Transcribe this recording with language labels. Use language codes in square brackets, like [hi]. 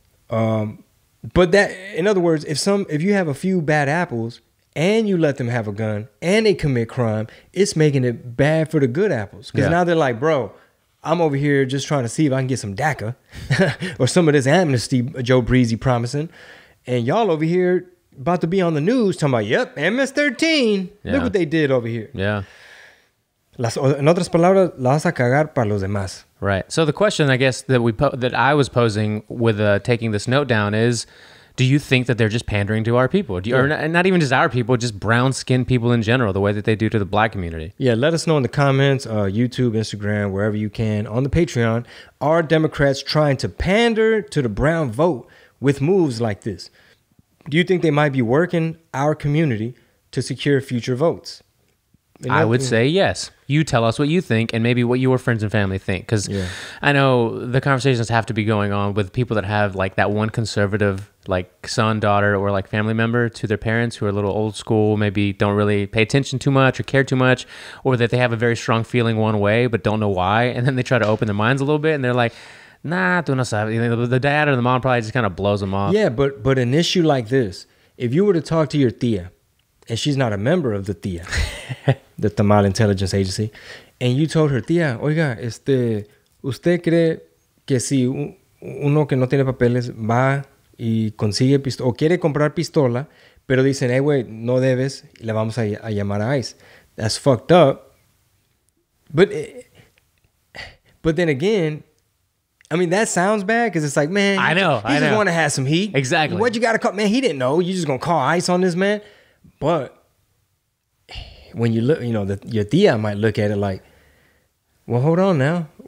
[en] But that, in other words, if you have a few bad apples and you let them have a gun and they commit crime, it's making it bad for the good apples. Because now they're like, bro, I'm over here just trying to see if I can get some DACA or some of this amnesty Joe Breezy promising. And y'all over here about to be on the news talking about, yep, MS-13. Yeah. Look what they did over here. Yeah. [es] En otras palabras, la vas a cagar para los demás. [en] Right. So the question, I guess, that I was posing with taking this note down is, do you think that they're just pandering to our people? Or not even just our people, just brown-skinned people in general, the way that they do to the black community? Yeah, let us know in the comments, YouTube, Instagram, wherever you can, on the Patreon. Are Democrats trying to pander to the brown vote with moves like this? Do you think they might be working our community to secure future votes? I would say yes. You tell us what you think and maybe what your friends and family think. Because I know the conversations have to be going on with people that have like that one conservative like son, daughter, or like family member to their parents who are a little old school, maybe don't really pay attention too much or care too much, or that they have a very strong feeling one way but don't know why. And then they try to open their minds a little bit and they're like, nah, [es] tú no sabes. [en] The dad or the mom probably just kind of blows them off. Yeah, but an issue like this, if you were to talk to your tía, and she's not a member of the TIA, the Tamale Intelligence Agency. And you told her, [es] TIA, oiga, ¿usted cree que si uno que no tiene papeles va y consigue pistola, o quiere comprar pistola, pero dicen, hey, wey, no debes, y le vamos a llamar a ICE? [en] That's fucked up. But then again, I mean, that sounds bad because it's like, man, I know. Just want to have some heat. Exactly. What you got to call? Man, he didn't know. You just going to call ICE on this, man? But when you look, you know, your tía might look at it like, well, hold on now.